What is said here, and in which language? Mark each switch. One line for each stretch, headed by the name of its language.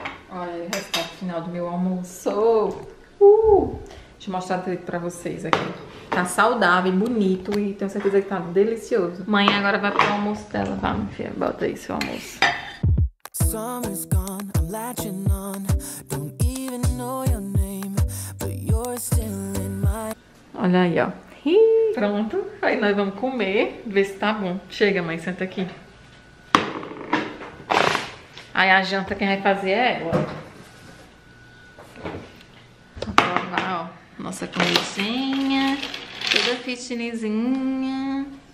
Portuguese: Olha o resultado final do meu almoço. Deixa eu mostrar direito pra vocês aqui. Tá saudável, bonito e tenho certeza que tá delicioso. Mãe, agora vai pro almoço dela. Vai, minha filha, bota aí seu almoço.
English: Summer's gone, I'm latching on. Don't even know your name, but you're still in my...
Portuguese: Olha aí, ó. Pronto. Aí nós vamos comer, ver se tá bom. Chega, mãe, senta aqui. Aí a janta quem vai fazer é ela. Vou provar, ó. Nossa comidinha. Toda fitnessinha.